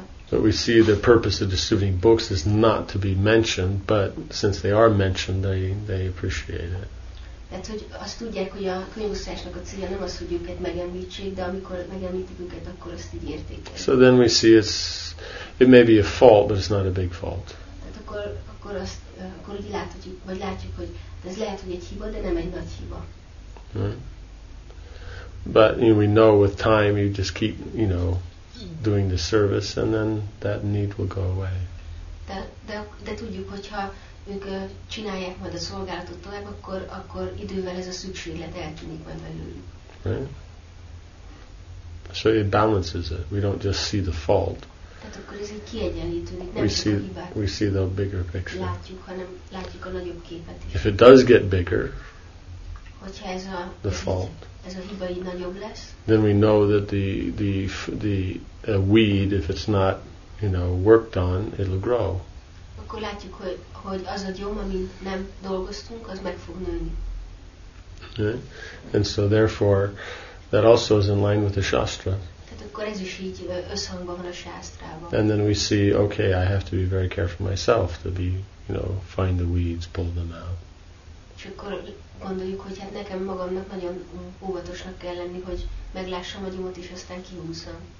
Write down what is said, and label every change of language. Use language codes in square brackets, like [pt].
[en] but we see the purpose of distributing books is not to be mentioned, but since they are mentioned, they appreciate it. [hu] Tehát, hogy azt tudják, hogy a könyvosztásnak a célja nem az, hogy őket megemlítsék, de amikor megemlítik őket, akkor azt így értékelik. [en] So then we see it's, it may be a fault, but it's not a big fault. [hu] Tehát akkor azt, akkor úgy láthatjuk, vagy látjuk, hogy ez lehet, hogy egy hiba, de nem egy nagy hiba. [en] But you know, we know with time you just keep, you know, doing the service and then that need will go away. [hu] De tudjuk, hogyha ők csinálják majd a szolgálatot tovább, akkor idővel ez a szükséglet eltűnik majd belőlük. [en] Right? So it balances it. We don't just see the fault. [hu] Tehát akkor ez így kiegyenlítődik, nem csak a hibát. [en] We see the bigger picture. [hu] Látjuk a nagyobb képet is. [en] If it does get bigger, [hu] hogyha ez a, [en] the fault, [hu] ez a hiba így nagyobb lesz, [en] then we know that the weed, if it's not, you know, worked on, it'll grow. [hu] Akkor látjuk, hogy az a gyom, amit nem dolgoztunk, az meg fog nőni. [en] And so therefore, that also is in line with the Shastra. [hu] Tehát akkor ez is így összhangban van a Shastrában. [en] And then we see, okay, I have to be very careful myself to be, you know, find the weeds, pull them out. [hu] És akkor gondoljuk, hogy hát nekem magamnak nagyon óvatosnak kell lenni, hogy meglássam a gyomot, és aztán kihúzzam.